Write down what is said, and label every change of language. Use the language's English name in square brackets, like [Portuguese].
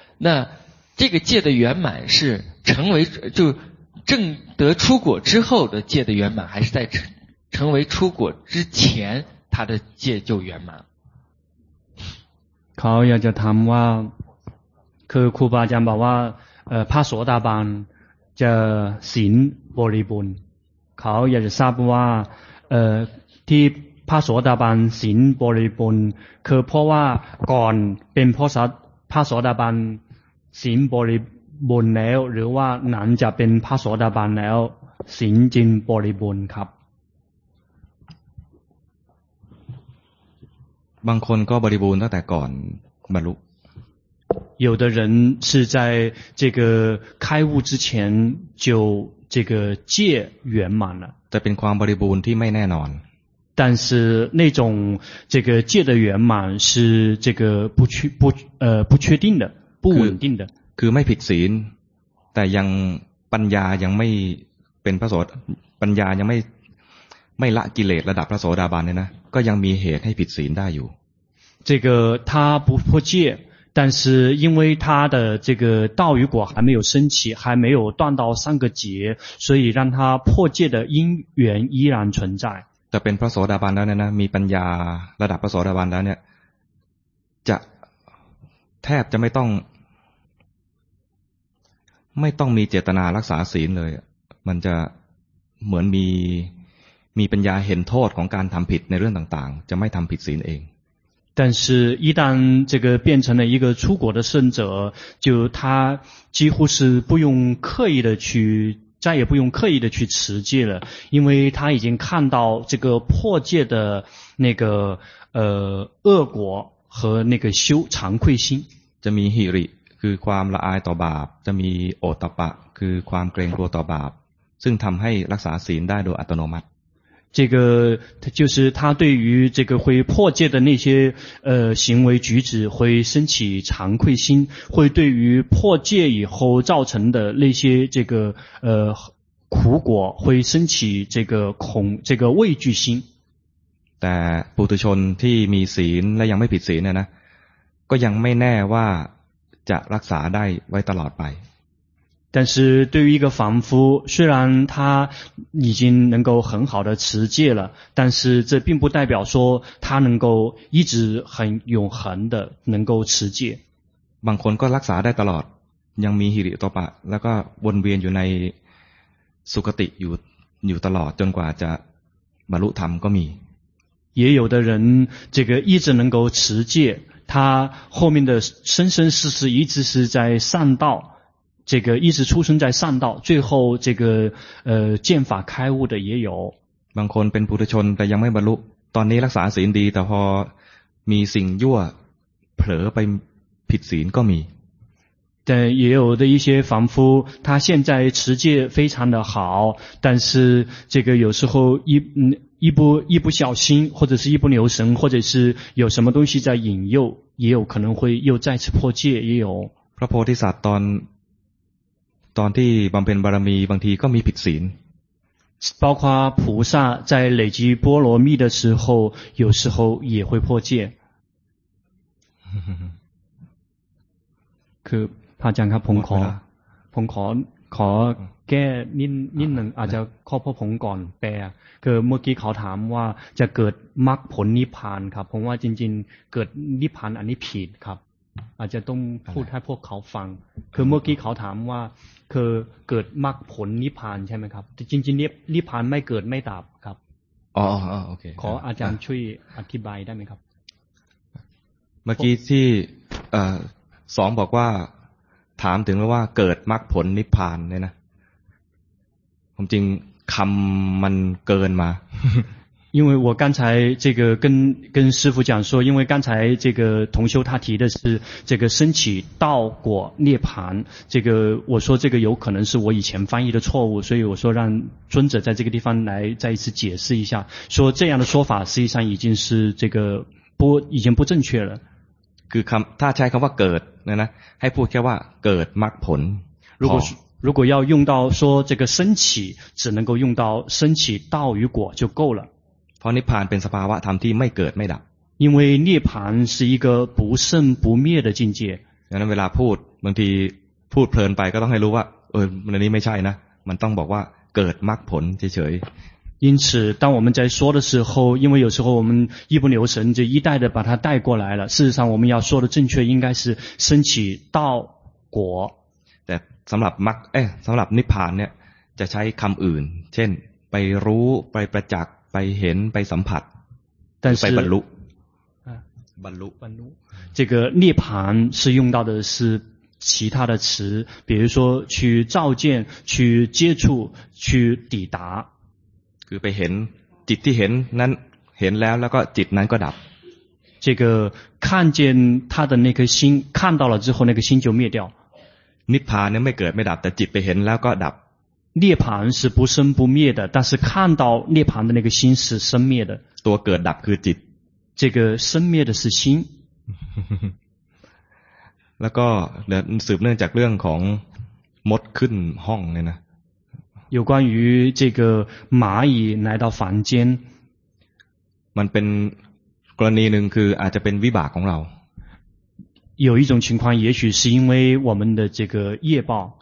[Chinese] 那这个戒的圆满是成为就正得出果之后的戒的圆满，还是在成为出果之前他的戒就圆满？ [Thai] เขาอยากจะถามว่าคือครูบาอาจารย์บอกว่าพระโสดาบันจะศีลบริบูรณ์เขาอยากจะทราบว่าที่พระโสดาบันศีลบริบูรณ์คือเพราะว่าก่อนเป็นพระโสดาบันศีลบริบูรณ์แล้วหรือว่าหลังจะเป็นพระโสดาบันแล้วศีลจึงบริบูรณ์ครับ บางคนก็บริบูรณ์ตั้งแต่ก่อนบรรลุ [Chinese] 有的人是在这个开悟之前就这个戒圆满了 [Thai] แต่เป็นความบริบูรณ์ที่ไม่แน่นอน [Chinese] 但是那种这个戒的圆满是这个不确定的不稳定的 [Thai] คือไม่ผิดศีลแต่ยังปัญญายังไม่เป็นพระโสดปัญญายังไม่ละกิเลสระดับพระโสดาบันเนี่ยนะก็ยังมีเหตุให้ผิดศีลได้อยู่ [Chinese] 这个他不破戒但是因为他的这个道与果还没有升起还没有断到三个劫所以让他破戒的因缘依然存在 [Thai] แต่เป็นพระโสดาบันแล้วเนี่ยนะมีปัญญาระดับพระโสดาบันแล้วเนี่ยจะแทบจะไม่ต้องมีเจตนารักษาศีลเลยมันจะเหมือนมีปัญญาเห็นโทษของการทำผิดในเรื่องต่างๆจะไม่ทำผิดศีลเอง [Chinese] 但是一旦这个变成了一个出果的圣者就他几乎是不用刻意的去再也不用刻意的去持戒了因为他已经看到这个破戒的那个恶果和那个修惭愧心 [Thai] จะมีหิริคือความละอายต่อบาปจะมีโอตตัปปะคือความเกรงกลัวต่อบาปซึ่งทำให้รักษาศีลได้โดยอัตโนมัติ [Chinese] 这个就是他对于这个会破戒的那些行为举止会升起惭愧心会对于破戒以后造成的那些这个苦果会升起这个畏惧心 [Thai] แต่ปุถุชนที่มีศีลและยังไม่ผิดศีลเนี่ยนะก็ยังไม่แน่ว่าจะรักษาได้ไว้ตลอดไป [Chinese] 但是对于一个凡夫虽然他已经能够很好的持戒了但是这并不代表说他能够一直很永恒的能够持戒 [Thai] บางคนก็รักษาได้ตลอดยังมีหิริโอตตัปปะแล้วก็วนเวียนอยู่ในสุคติอยู่ตลอดจนกว่าจะบรรลุธรรมก็มี [Chinese] 也有的人这个一直能够持戒他后面的生生世世一直是在善道这个一直出生在善道最后这个见法开悟的也有 [Thai] บางคนเป็นปุถุชนแต่ยังไม่บรรลุตอนนี้รักษาศีลดีแต่พอมีสิ่งยั่วเผลอไปผิดศีลก็มี [Chinese] 但也有的一些凡夫他现在持戒非常的好但是这个有时候一不小心或者是一不留神或者是有什么东西在引诱也有可能会又再次破戒也有 [Thai] พระโพธิสัตว์ตอนที่บำเพ็ญบารมีบางทีก็มีผิดศีล [Chinese] 包括菩萨在累积波罗蜜的时候有时候也会破戒 [Thai] คือพระอาจารย์ครับผมขอแก้นิดหนึ่งอาจจะขอพ่อผมก่อนแปลคือเมื่อกี้เขาถามว่าจะเกิดมรรคผลนิพพานครับผมว่าจริงๆเกิดนิพพานอันนี้ผิดครับ อาจจะต้องพูดให้พวกเขาฟังคือเมื่อกี้เขาถามว่าคือเกิดมรรคผลนิพพานใช่ไหมครับจริงๆนิพพานไม่เกิดไม่ดับครับ อ๋อโอเค ขออาจารย์ช่วยอธิบายได้ไหมครับ เมื่อกี้ที่สองบอกว่าถามถึงว่าเกิดมรรคผลนิพพานเนี่ยนะผมจริงคำมันเกินมา [Chinese] 因为我刚才这个跟师父讲说因为刚才这个同修他提的是这个升起道果涅槃这个我说这个有可能是我以前翻译的错误所以我说让尊者在这个地方来再一次解释一下说这样的说法实际上已经是这个已经不正确了他才说เกิด呢还不说 [Thai] เกิด มรรคผล [Chinese] 如果要用到说这个升起只能够用到升起道与果就够了 [Thai] เพราะนิพพานเป็นสภาวะธรรมที่ไม่เกิดไม่ดับ [Chinese] 因为涅槃是一个不生不灭的境界 [Thai] ดังนั้นเวลาพูดบางทีพูดเพลินไปก็ต้องให้รู้ว่าเออในนี้ไม่ใช่นะมันต้องบอกว่าเกิดมรรคผลเฉย [Chinese] 因此当我们在说的时候因为有时候我们一不留神就一带的把它带过来了事实上我们要说的正确应该是升起道果 [Thai] แต่สำหรับมรรคสำหรับนิพพานเนี่ยจะใช้คำอื่นเช่นไปรู้ไปประจักษ์ไปเห็นไปสัมผัส ไป บรรลุ [Chinese] บรรลุ这个涅槃是用到的是其他的词比如说去照见去接触去抵达 [Thai] คือไปเห็นจิตที่เห็นนั้นเห็นแล้วแล้วก็จิตนั้นก็ดับ [Chinese] 这个看见他的那颗心看到了之后那个心就灭掉 [Thai] นิพพานเนี่ยไม่เกิดไม่ดับแต่จิตไปเห็นแล้วก็ดับ [Chinese] 涅槃是不生不灭的但是看到涅槃的那个心是生灭的 [Thai] ตัวเกิดดับคือจิต [Chinese] 这个生灭的是心 [Thai] แล้วก็สืบเนื่องจากเรื่องของมดขึ้นห้องเนี่ยนะ [Chinese] 有关于这个蚂蚁来到房间 [Thai] มันเป็นกรณีหนึ่งคืออาจจะเป็นวิบากของเรา [Chinese] 有一种情况也许是因为我们的这个业报